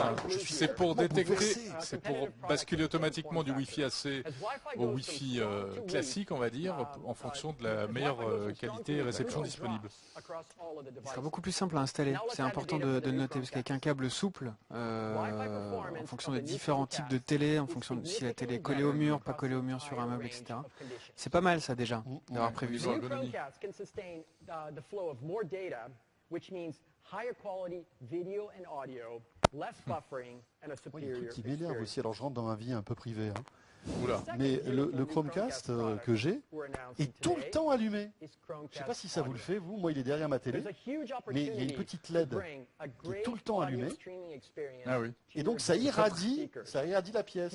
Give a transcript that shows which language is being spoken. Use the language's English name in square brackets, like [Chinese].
[French] C'est pour détecter, c'est pour basculer automatiquement du Wi-Fi AC au Wi-Fi classique, on va dire, en fonction de la meilleure qualité et réception disponible. Il sera beaucoup plus simple à installer. C'est important de noter, parce qu'avec un câble souple, en fonction des différents types de télé, en fonction de si la télé est collée au mur, pas collée au mur, sur un meuble, etc. C'est pas mal ça déjà, d'avoir prévu ça. [English] Le Chromecast can sustain the flow of more data, which means higher quality video and audio, less buffering and a superior experience. [French] Il y a un truc qui m'énerve aussi, alors je rentre dans ma vie un peu privée. Hein. Oula. Mais le Chromecast que j'ai est tout le temps allumé. Je ne sais pas si ça vous le fait, vous, moi il est derrière ma télé, mais il y a une petite LED qui est tout le temps allumée. Ah oui. Et donc ça irradie la pièce.